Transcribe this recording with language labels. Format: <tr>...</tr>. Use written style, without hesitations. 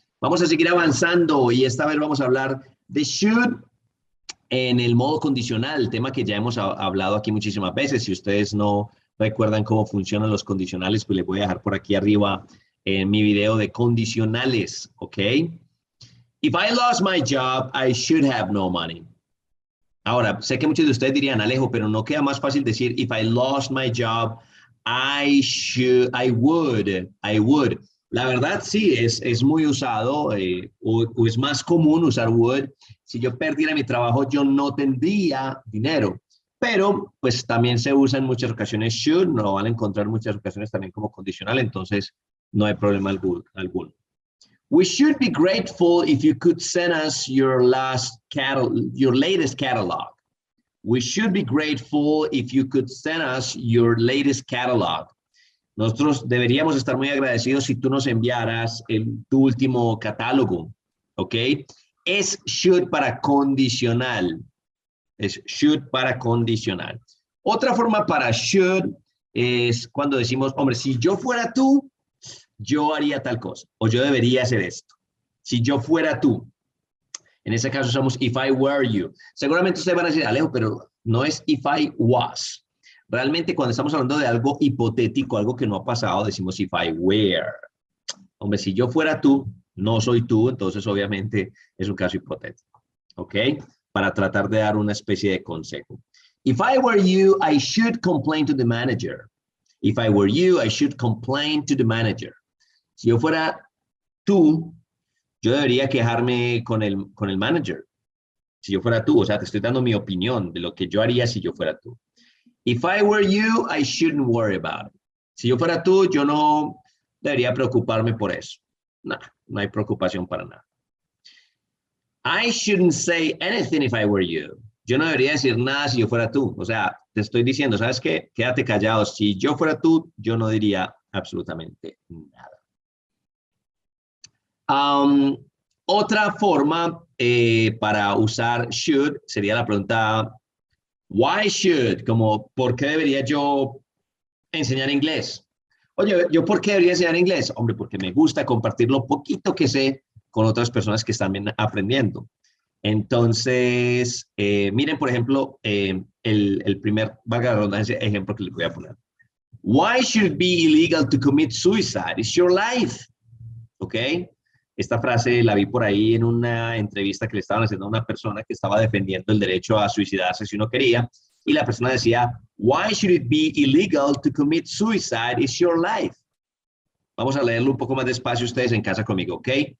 <es>Vamos a seguir avanzando y esta vez vamos a hablar de should en el modo condicional, tema que ya hemos hablado aquí muchísimas veces. Si ustedes no recuerdan cómo funcionan los condicionales, pues les voy a dejar por aquí arriba en mi video de condicionales, ¿ok?</es> <en>If I lost my job, I should have no money.</en> <es>Ahora, sé que muchos de ustedes dirían, Alejo, pero no queda más fácil decir,</es> <en>if I lost my job, I would.</en> <es>La verdad, sí, es muy usado, o es más común usar would. Si yo perdiera mi trabajo, yo no tendría dinero. Pero, pues, también se usa en muchas ocasiones should, lo van a encontrar en muchas ocasiones también como condicional, entonces, no hay problema alguno.</es> <en>We should be grateful if you could send us your latest catalog. We should be grateful if you could send us your latest catalog.</en> <es>Nosotros deberíamos estar muy agradecidos si tú nos enviaras tu último catálogo, okay? Es should para condicional. Es should para condicional. Otra forma para should es cuando decimos, hombre, si yo fuera tú, yo haría tal cosa, o yo debería hacer esto. Si yo fuera tú. En ese caso usamos</es> <en>if I were you.</en> <es>Seguramente ustedes van a decir, Alejo, pero no es</es> <en>if I was.</en> <es>Realmente cuando estamos hablando de algo hipotético, algo que no ha pasado, decimos</es> <en>if I were.</en> <es>Hombre, si yo fuera tú, no soy tú, entonces obviamente es un caso hipotético. ¿Ok? Para tratar de dar una especie de consejo.</es> <en>If I were you, I should complain to the manager. If I were you, I should complain to the manager.</en> <es>Si yo fuera tú, yo debería quejarme con el manager. Si yo fuera tú, o sea, te estoy dando mi opinión de lo que yo haría si yo fuera tú.</es> <en>If I were you, I shouldn't worry about it.</en> <es>Si yo fuera tú, yo no debería preocuparme por eso. Nah, no hay preocupación para nada.</es> <en>I shouldn't say anything if I were you.</en> <es>Yo no debería decir nada si yo fuera tú. O sea, te estoy diciendo, ¿sabes qué? Quédate callado. Si yo fuera tú, yo no diría absolutamente nada. Otra forma para usar should sería la pregunta,</es> <en>why should?</en> <es>Como, ¿por qué debería yo enseñar inglés? Oye, ¿yo por qué debería enseñar inglés? Hombre, porque me gusta compartir lo poquito que sé con otras personas que están aprendiendo. Entonces, miren, por ejemplo, el primer, valga la redundancia, ejemplo que les voy a poner.</es> <en>Why should it be illegal to commit suicide? It's your life. ¿Ok?</en> <es>Esta frase la vi por ahí en una entrevista que le estaban haciendo a una persona que estaba defendiendo el derecho a suicidarse si uno quería. Y la persona decía,</es> <en>why should it be illegal to commit suicide? It's your life.</en> <es>Vamos a leerlo un poco más despacio ustedes en casa conmigo, ¿ok?</es>